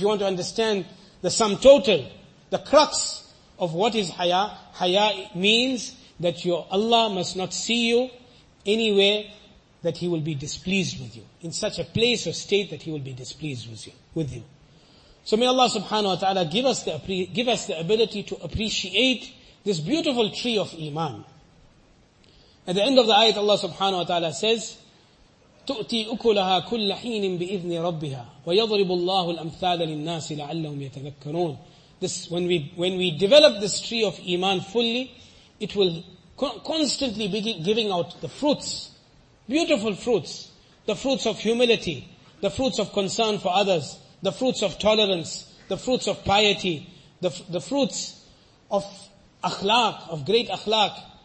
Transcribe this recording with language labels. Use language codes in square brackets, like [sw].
[en] If you want to understand the sum total, the crux of what is haya, haya means that your Allah must not see you anywhere that He will be displeased with you. In such a place or state that He will be displeased with you. So may Allah subhanahu wa ta'ala give us the ability to appreciate this beautiful tree of iman. At the end of the ayat, Allah subhanahu wa ta'ala says, [ar] تؤتي أكلها كل حين بإذن ربها ويضرب الله الأمثال للناس لعلهم يتذكرون. [en] This when we develop this tree of iman fully, it will constantly be giving out the fruits, beautiful fruits, the fruits of humility, the fruits of concern for others, the fruits of tolerance, the fruits of piety, the fruits of akhlaq, of great akhlaq.